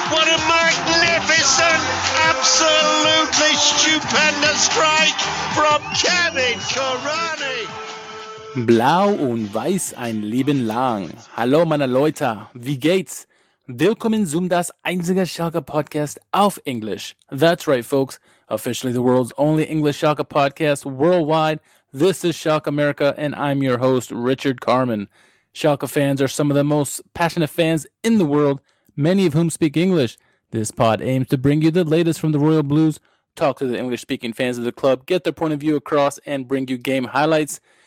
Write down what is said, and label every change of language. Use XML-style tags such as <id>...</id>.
<en>What a magnificent, absolutely stupendous strike from Kevin Corani!</en> <de>Blau und Weiß ein Leben lang. Hallo, meine Leute, wie geht's? Willkommen zum das einzige Schalke Podcast auf Englisch.</de> <en>That's right, folks. Officially the world's only English Schalke Podcast worldwide. This is Schalke America, and I'm your host, Richard Carman. Schalke fans are some of the most passionate fans in the world, many of whom speak English. This pod aims to bring you the latest from the Royal Blues, talk to the English-speaking fans of the club, get their point of view across, and bring you game highlights.</en>